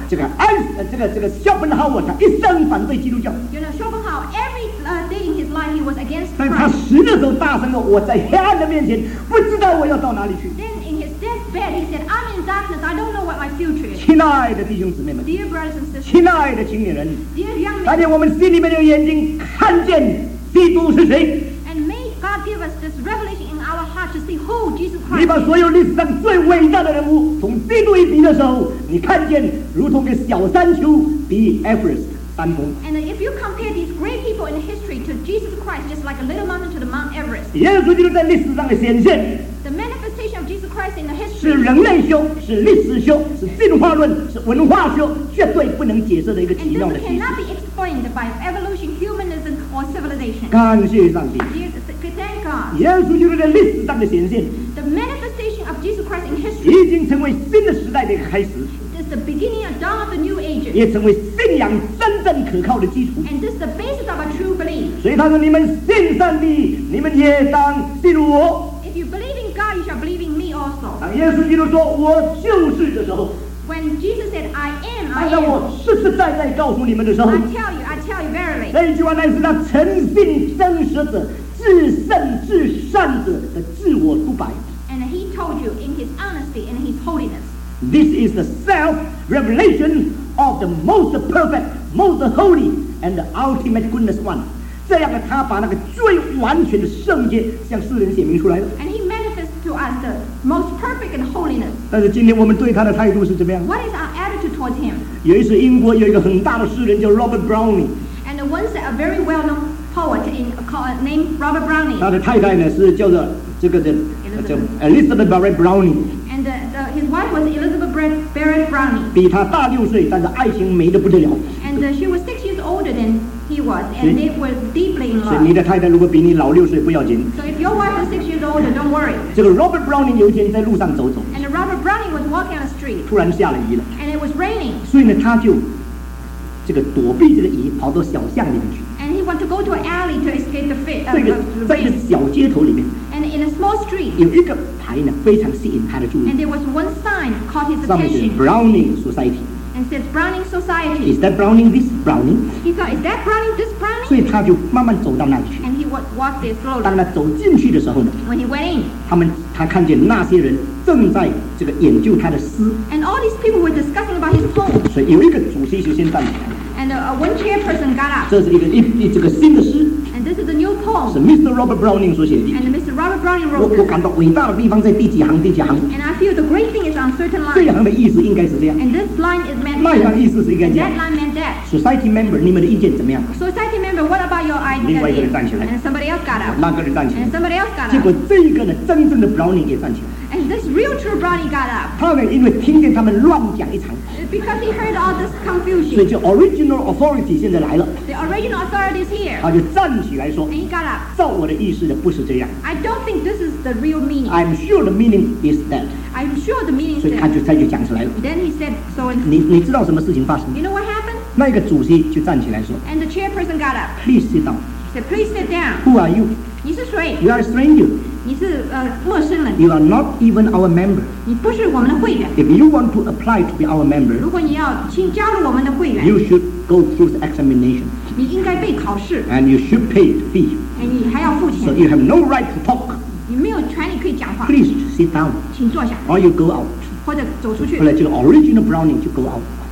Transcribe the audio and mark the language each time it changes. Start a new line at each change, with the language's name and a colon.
Chinese: 这个安，这个肖本豪尔，他一生反对基督教。
English: You know, Schopenhauer every day in his life he was against Christ.
Chinese: 但他死的时候大声了，我在黑暗的面前，不知道我要到哪里去。
English: Then in his deathbed, he said, "I'm in darkness. I don't know what my future is."
Chinese: 亲爱的弟兄姊妹们
English: ，Dear brothers and sisters.
Chinese: 亲爱的青年人
English: ，Dear young men.
Chinese: 大家我们心里面有眼睛看见基督是谁。
English: And may God give us this revelation in our heart to see who Jesus Christ.
Chinese: 你把所有历史上最伟大的人物从基督一比的时候，你看见如同个小山丘比 Everest。
English: And if you compare these great people in history to Jesus Christ, just like a little mountain to the Mount Everest,
Chinese: 耶稣基督在历史上的显现
English: the manifestation of Jesus Christ in the history
Chinese: 是人类修，是历史修，是进化论，是文化修，绝对不能解释的一个奇妙的事
English: 情。And this cannot be explained by evolution, humanism, or civilization.
Chinese: 感谢上帝
English: Thank God.
Chinese: 耶稣基督在历史上的显现
English: the manifestation of Jesus Christ in history
Chinese: 已经成为新的时代的一个开始。
English: It's the beginning of dawn of the new ages.
Chinese: 也成为信仰真正可靠的基础。
English: And this is the basis of a true belief.
Chinese: 所以他说：“你们信上帝，你们也当信我。”
English: If you believe in God, you shall believe in me also.
Chinese: 当耶稣基督说“我就是”的时候
English: ，When Jesus said "I am,"
Chinese: 当他我实实在在告诉你们的时候
English: ，I tell you verily.
Chinese: 那一句话乃是他诚信真实者、至圣至善者的自我独白。
English: And he told you in his honesty and his holiness. This is the self-revelation of the most perfect, most holy, and the ultimate goodness one.
Chinese: 这样的他把那个最完全的圣洁向世人显明出来了。
English: And he manifests to us the most perfect and holiness.
Chinese: 但是今天我们对他的态度是怎么样
English: ？What is our attitude towards him?
Chinese: 有一次，英国有一个很大的诗人叫 Robert Browning.
English: And once a very well-known poet named Robert Browning.
Chinese: 他的太太呢是叫做这个的叫 Elizabeth Barrett Browning.
English: His wife was Elizabeth Barrett Browning.
Chinese: 比他大六岁，但是爱情美得不得了。
English: And she was 6 years older than he was, and they were deeply in love.
Chinese: 所以你的太太如果比你老六岁不要紧。
English: So if your wife is 6 years older, don't worry.
Chinese: 这个 Robert Browning 有一天在路上走走。
English: And Robert Browning was walking on the street.
Chinese: 突然下了雨了。
English: And it was raining.
Chinese: 所以呢，他就这个躲避这个雨，跑到小巷里面去。
English: And he wanted to go to an alley to escape the rain.
Chinese: 这个在一个小街头里面。
English: And in a small street.
Chinese: 有一个。牌呢非常吸引他的注意。
English: And there was one sign caught his attention.
Chinese: 上面写 Browning Society.
English: And says Browning Society. Is that Browning? This Browning? He thought, is that Browning? This Browning?
Chinese: 所以他就慢慢走到那里去。
English: And he walked there slowly.
Chinese: 当他走进去的时候呢
English: ？When he went in.
Chinese: 他看见那些人正在这个研究他的诗。
English: And all these people were discussing about his poem.
Chinese: 所以有一个主席就先站起来。
English: And one chairperson got up.
Chinese: 这是一个这个新的诗。
English: And this is a new poem.
Chinese: 是 Mr. Robert Browning 所写的。
English: And Mr. Robert Browning wrote.
Chinese: 我感到伟大的地方在第几行第几行。
English: And I feel the great thing is on certain lines.
Chinese: 这一行的意思应该是这样。
English: And this line is meant.
Chinese: 那一行意思是应该这样。
English: That line meant that. Society member,
Chinese: 你们的意见怎么样
English: ？Society member, what about your idea?
Chinese: 另外一个人站起来。
English: And somebody else got up.
Chinese: 那个人站起来。
English: And somebody else got up.
Chinese: 结果这个呢，真正的 Browning 也站起来。
English: And this real true Brahmin got up.
Chinese: 他们因为听见他们乱讲一场。
English: Because he heard all this confusion.
Chinese: 所以就
English: original authority
Chinese: 现在来了。
English: The original authority is here.
Chinese: 他就站起来说。
English: And he got up.
Chinese: 照我的意思的不是这样。
English: I don't think this is the real meaning. I'm sure the meaning is that. I'm sure the meaning is that.
Chinese: 所以他就讲出来了。
English: Then he said so.
Chinese: 你知道什么事情发生？
English: You know what happened?
Chinese: 那个主席就站起来说。
English: And the chairperson got up. Please sit down. He said, please sit down. Who are you?
Chinese: 你是谁?
English: You are a stranger.
Chinese: 你是陌生人。
English: You are not even our member.
Chinese: 你不是我们的会员。
English: If you want to apply to be our member,
Chinese: 如果你要请加入我们的会员,
English: you should go through the examination.
Chinese: 你应该被考试。
English: And you should pay the fee.
Chinese: 你还要付钱。
English: So you have no right to talk.
Chinese: 你没有权利可以讲话。
English: Please sit down.
Chinese: 请坐下。
English: Or you go out.
Chinese: 或者走出去。后来这个
English: original Brownie
Chinese: 就
English: go out.